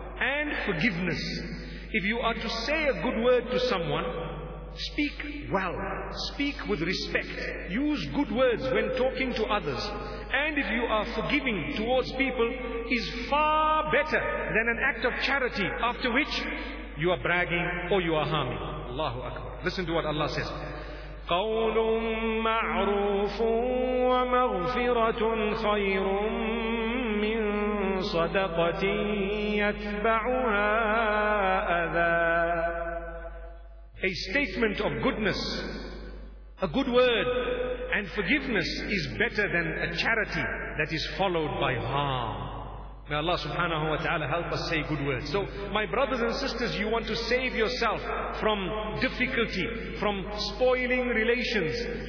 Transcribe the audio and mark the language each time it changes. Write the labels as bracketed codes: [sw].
[en] And forgiveness. If you are to say a good word to someone, speak well, speak with respect, use good words when talking to others. And if you are forgiving towards people, is far better than an act of charity after which you are bragging or you are harming. Allahu Akbar. Listen to what Allah says. [ar] قَوْلٌ مَعْرُوفٌ وَمَغْفِرَةٌ خَيْرٌ مِّن صدقة يتبعها أذى. [en] A statement of goodness, a good word, and forgiveness is better than a charity that is followed by harm. May Allah subhanahu wa ta'ala help us say good words. So, my brothers and sisters, you want to save yourself from difficulty, from spoiling relations.